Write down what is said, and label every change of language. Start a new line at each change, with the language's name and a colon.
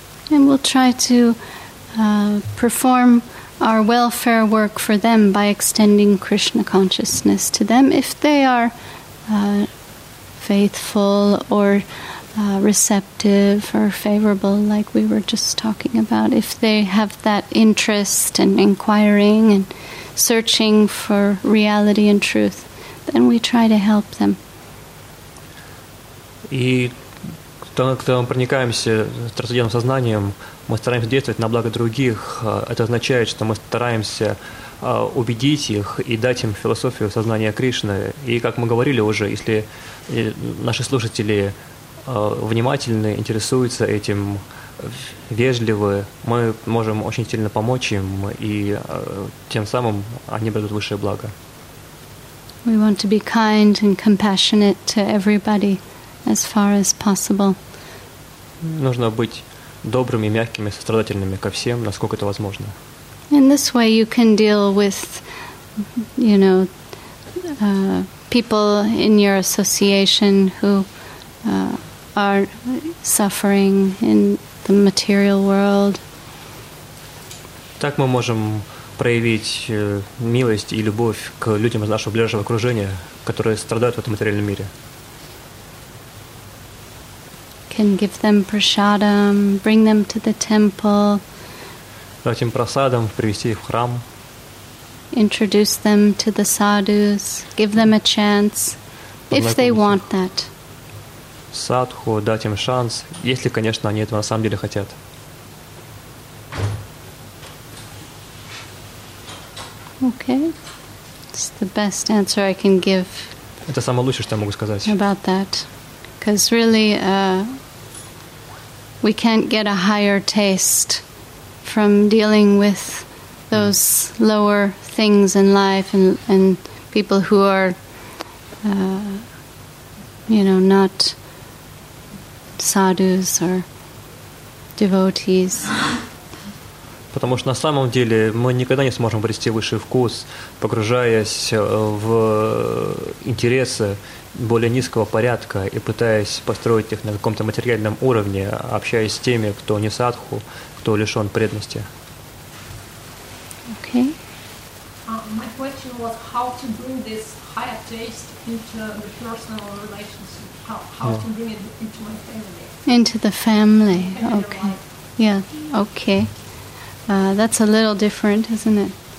English: And we'll try to perform our welfare work for them by extending Krishna consciousness to them if they are faithful or receptive or favorable, like we were just talking about. If they have that interest and inquiring and searching for reality and truth, then we try to help them.
Russian: Когда мы проникаемся трансцендентным сознанием, мы стараемся действовать на благо других. Это означает, что мы стараемся убедить их и дать им философию сознания Кришны. И как мы говорили уже, если наши слушатели внимательны, интересуются этим, вежливы, мы можем очень сильно помочь им, и тем самым они обретут высшее благо.
English: We want to be kind and compassionate to everybody as far as possible.
Russian: Нужно быть добрыми, мягкими, сострадательными ко всем, насколько это возможно.
English: In this way you can deal with, you know, people in your association who are suffering in the material world.
Russian: Так мы можем проявить милость и любовь к людям из нашего ближайшего окружения, которые страдают в этом материальном мире.
English: Can give them prasadam, bring them to the temple.
Russian: Дать им прасадам, привести их в храм.
English: Introduce them to the sadhus, give them a chance, if they want that.
Russian: садху, дать им шанс, если, конечно, они этого на самом деле хотят.
English: Okay. It's the best answer I can give.
Russian: Это самое лучшее, что я могу сказать.
English: About that. Because really, we can't get a higher taste from dealing with those lower things in life and people who are, not sadhus or devotees.
Russian: Потому что на самом деле мы никогда не сможем обрести высший вкус, погружаясь в интересы более низкого порядка и пытаясь построить их на каком-то материальном уровне, общаясь с теми, кто не садху, кто лишен преданности.
English: Okay. My question was how to bring this higher taste into the personal relationship. How to bring it into my family. Into the family. Okay. Yeah. Okay. That's a little different, isn't it?